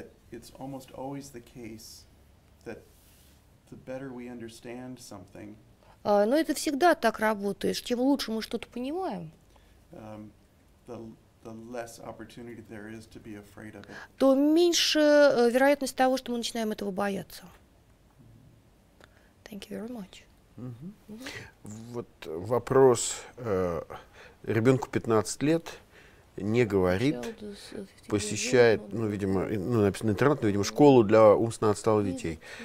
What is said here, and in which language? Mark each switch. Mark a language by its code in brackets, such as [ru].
[en] It's almost always the case that the better we understand something. [ru] Но это всегда так работает. Чем лучше мы что-то понимаем, [en] the less opportunity there is to be afraid of it. [ru] То меньше вероятность того, что мы начинаем этого бояться. [en] Thank you very much. [ru] Вот вопрос. Ребенку 15 лет. Не говорит, посещает, ну, видимо, ну, написано интернет, но, видимо, школу для умственно отсталых детей.